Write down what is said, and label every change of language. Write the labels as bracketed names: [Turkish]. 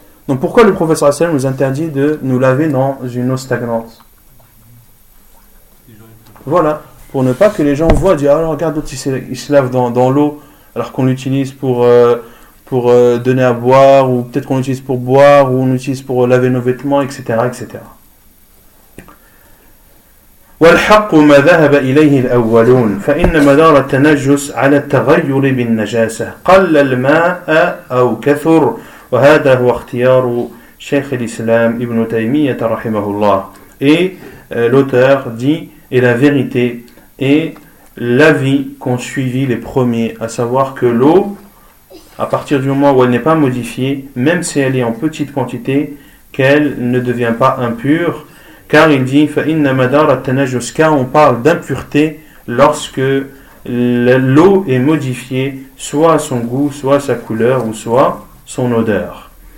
[French] Donc pourquoi le prophète sallallahu alayhi wa sallam nous interdit de nous laver dans une eau stagnante? Voilà. Pour ne pas que les gens voient, disent, alors regarde, il se lave dans l'eau, alors qu'on l'utilise pour donner à boire, ou peut-être qu'on l'utilise pour boire, ou on l'utilise pour laver nos vêtements, etc., etc. [Arabic] والحق ما ذهب إليه الأولون فإن مدار التنجس على التغير بالنجاسة قل الماء أو كثر وهذا هو اختيار شيخ الإسلام ابن تيمية رحمه الله [French] l'auteur dit et la vérité et l'avis qu'ont suivi les premiers, à savoir que l'eau, à partir du moment où elle n'est pas modifiée, même si elle est en petite quantité, qu'elle ne devient pas impure. Car il dit, [Arabic] فَإِنَّ مَدَارَ التَّنَجُسْ [French] car on parle d'impureté lorsque l'eau est modifiée, soit son goût, soit sa couleur, ou soit son odeur.